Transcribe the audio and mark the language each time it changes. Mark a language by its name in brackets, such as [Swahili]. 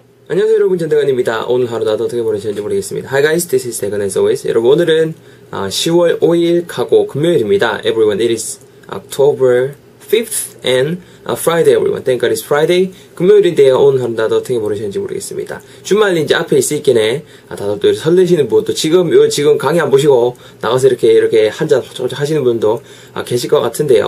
[Korean] 안녕하세요 여러분, 전대관입니다. 오늘 하루 나도 어떻게 보내셨는지 모르겠습니다. [English] Hi guys, this is Degan as always. [Korean] 여러분, 오늘은 10월 5일 가고 금요일입니다. [English] Everyone, it is October 5th and Friday, everyone. Thank God it's Friday. [Korean] 금요일인데요. 오늘 하루 나도 어떻게 보내셨는지 모르겠습니다. 주말이 이제 앞에 있으니까 다들 또 설레시는 분도 지금 강의 안 보시고 나가서 이렇게 한잔 호쩍호쩍 하시는 분도 계실 것 같은데요.